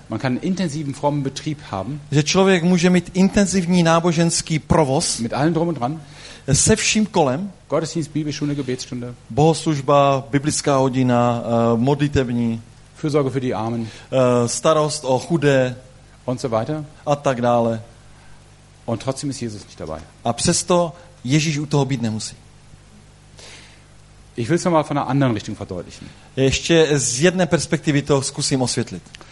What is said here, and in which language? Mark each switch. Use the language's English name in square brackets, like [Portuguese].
[German] man kann intensiven frommen Betrieb haben, [Czech] že člověk může mít intenzivní náboženský provoz [German] mit allem drum und dran, [Czech] se vším kolem, [German] Gottesdienst, Bibelschule, Gebetsstunde, [Czech] bohoslužba, biblická hodina, modlitevní, [German] Fürsorge für die Armen, [Czech] starost o chudé, [German] und so weiter, [Czech] a tak dále. [German] Und trotzdem ist Jesus nicht dabei. [Czech] A přesto Ježíš u toho být nemusí. [German] Ich will es nochmal von einer anderen Richtung verdeutlichen. [Czech] Ještě z jedné perspektivy to zkusím osvětlit.